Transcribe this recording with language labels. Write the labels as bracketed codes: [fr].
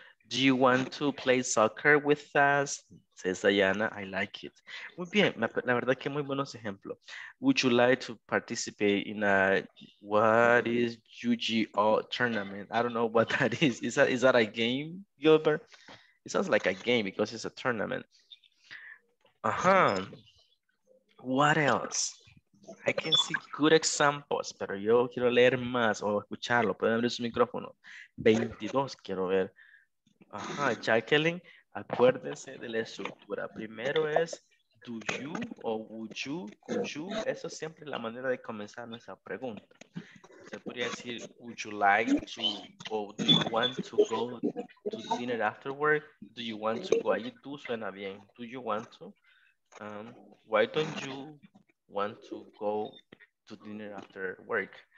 [en] Do you want to play soccer with us? Says Diana, I like it. [es] Muy bien, la verdad que muy buenos ejemplos. [en] Would you like to participate in a, what is UGO tournament? I don't know what that is. Is that a game, Gilbert? It sounds like a game because it's a tournament. Uh-huh. What else? I can see good examples, [es] pero yo quiero leer más o escucharlo. Pueden abrir su micrófono. 22, quiero ver. Ajá, Jacqueline, acuérdese de la estructura. Primero es, [en] do you o would you, could you? [es] Eso siempre es la manera de comenzar nuestra pregunta. Se podría decir, [en] would you like to, o do you want to go to dinner after work? Do you want to go? [es] Ahí tú suena bien. [en] Do you want to? Why don't you want to go to dinner after work?